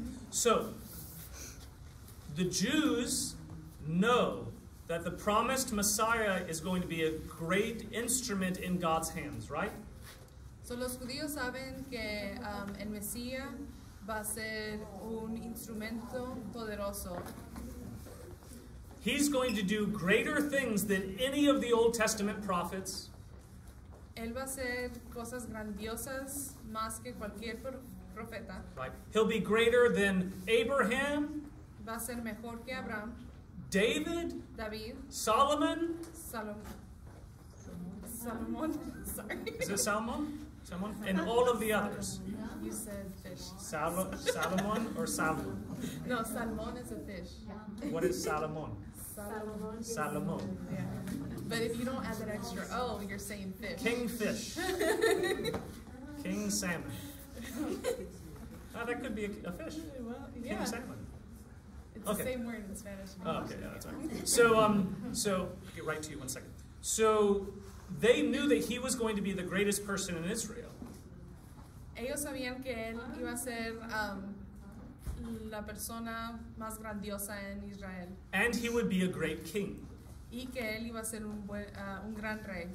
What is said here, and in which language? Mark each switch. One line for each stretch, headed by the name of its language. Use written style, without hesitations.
English: So, the Jews know that the promised Messiah is going to be a great instrument in God's hands, right?
Spanish: So los judíos saben que el Mesías va a ser un instrumento poderoso.
English: He's going to do greater things than any of the Old Testament prophets.
Spanish: Él va a hacer cosas grandiosas más que cualquier profeta.
English: Right. He'll be greater than Abraham.
Spanish: Va a ser mejor que Abraham.
English: David.
Spanish: David.
English: Solomon. Salomon. Sorry. Is it Salomon? Salomon. And all of the others. You said fish. Salomon or Salomon? No, Salomon is a fish. Yeah. What is Salomon? Salomon. Salomon. Yeah. But if you don't add that extra O, you're saying fish. King fish. King salmon. Oh, that could be a fish. Well, yeah. King salmon. It's okay. The same word in Spanish. Oh, okay, yeah, that's right. So I'll get right to you 1 second. So they knew that he was going to be the greatest person in Israel.
Spanish: Ellos sabían que él iba a ser la persona más grandiosa en Israel.
English: And he would be a great king.
Spanish: Y que él iba a ser un gran rey.